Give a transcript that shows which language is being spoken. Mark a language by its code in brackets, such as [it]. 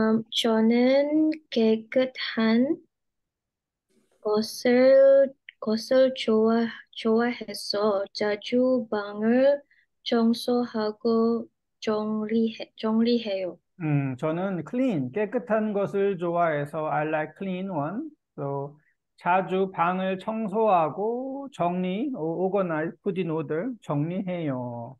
[ko] 저는 깨끗한 것을 좋아해서 자주 방을 청소하고 정리해요. 저는 clean, 깨끗한 것을 좋아해서 [en] I like clean one. [ko] So, 자주 방을 청소하고 정리, [en] organize, put in order, [ko] 정리해요.